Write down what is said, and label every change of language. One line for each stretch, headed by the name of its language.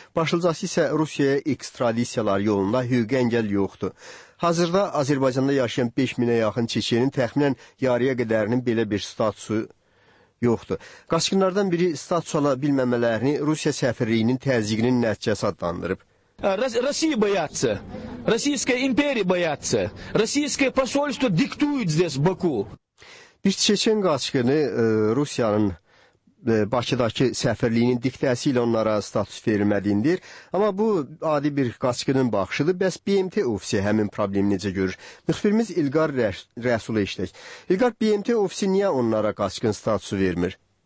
Azerbaijani: Başlıcası isə Rusiyaya ekstradisiyalar yolunda hüquqi əngəl yoxdur. Hazırda Azərbaycanda yaşayan 5000-ə yaxın Çeçenin təxminən yarıya qədərinin belə bir statusu yoxdur. Qaçqınlardan biri statusu ala bilməmələrini Rusiya səfirliyinin təzyiqinin nəticəsi adlandırıb.
Russian: России боятся, Российская империя боятся, Российское посольство диктует здесь Баку.
Azerbaijani: Bir çeçen qaçqını Rusiyanın Bakıdakı səfirliyinin diktəsi ilə onlara status verilmədiyindir. Amma bu, adi bir qaçqının baxışıdır. Bəs BMT ofisi həmin problemi necə görür? Müxbirimiz İlqar Rəsulu işləyək. İlqar, BMT ofisi niyə onlara qaçqın statusu vermir?